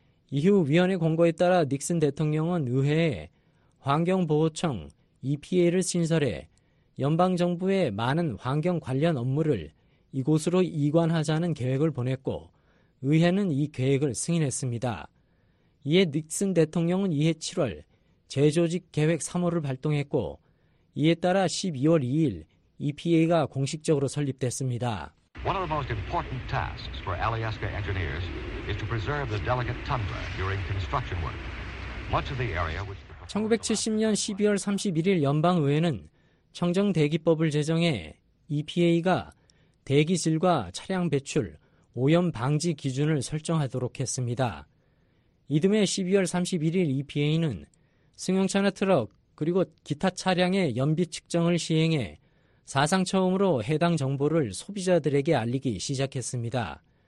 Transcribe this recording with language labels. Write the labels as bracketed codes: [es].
[ko] 이후 위원회 권고에 따라 닉슨 대통령은 의회에 환경보호청 EPA를 신설해 연방정부의 많은 환경 관련 업무를 이곳으로 이관하자는 계획을 보냈고 의회는 이 계획을 승인했습니다. 이에 닉슨 대통령은 이해 7월 재조직 계획 3호를 발동했고 이에 따라 12월 2일 EPA가 공식적으로 설립됐습니다. [en] One of the most important tasks for Alyeska engineers is to preserve the delicate tundra during construction work. Much of the area which [ko] 1970년 12월 31일 연방의회는 청정대기법을 제정해 EPA가 대기질과 차량 배출, 오염 방지 기준을 설정하도록 했습니다. 이듬해 12월 31일 EPA는 승용차나 트럭 그리고 기타 차량의 연비 측정을 시행해 사상 처음으로 해당 정보를 소비자들에게 알리기 시작했습니다.